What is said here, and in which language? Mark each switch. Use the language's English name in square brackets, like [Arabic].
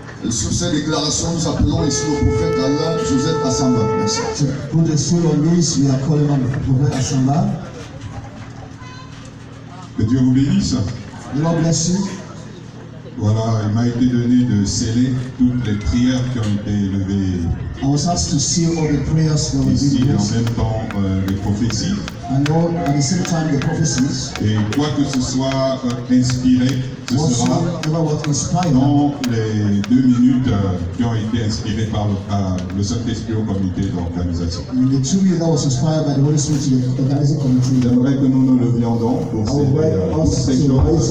[French] Sur ces déclarations, nous appelons ici le prophète Alain Joseph Assamba. Merci. Pour le Seigneur, [English] we are calling on the prophète Assamba. [French] Que Dieu vous bénisse. [English] The Lord bless you. [French] Voilà, il m'a été donné de sceller toutes les prières qui ont été levées. [English] I was asked to seal all the prayers that were [French] ici, en même temps, les prophéties. [English] And all, at the same time, the prophecies. [French] Et quoi que ce soit inspiré, ce [English] also, [French] sera dans les deux minutes qui ont été inspirées par le Saint-Esprit au comité d'organisation. J'aimerais que nous nous levions donc pour ces secteurs